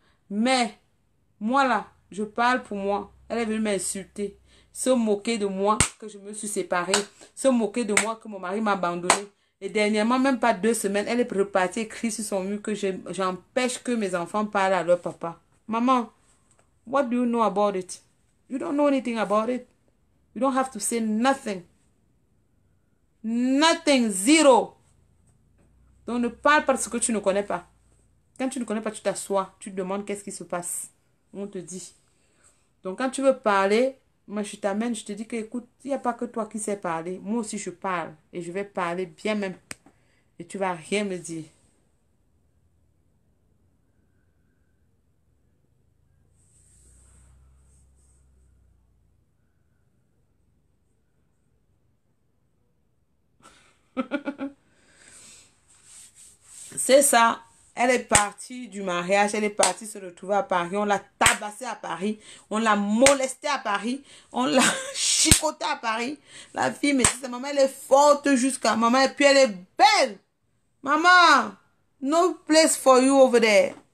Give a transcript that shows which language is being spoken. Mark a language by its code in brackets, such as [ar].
[fr] Mais, moi là, je parle pour moi. Elle est venue m'insulter. Se moquer de moi que je me suis séparée. Se moquer de moi que mon mari m'a abandonnée. Et dernièrement, même pas 2 semaines, elle est repartie écrit sur son mur que j'empêche que mes enfants parlent à leur papa. [en] Maman, what do you know about it? You don't know anything about it. You don't have to say nothing. Nothing, zero. [fr] Donc ne parle pas de ce que tu ne connais pas. Quand tu ne connais pas, tu t'assois, tu te demandes qu'est-ce qui se passe. On te dit. Donc quand tu veux parler, moi je t'amène, je te dis que écoute, il n'y a pas que toi qui sais parler. Moi aussi je parle et je vais parler bien même. Et tu vas rien me dire. C'est ça, elle est partie du mariage, elle est partie se retrouver à Paris, on l'a tabassée à Paris, on l'a molestée à Paris, on l'a chicotée à Paris. La fille me dit, maman, elle est forte jusqu'à maman, et puis elle est belle. [en] Maman, no place for you over there.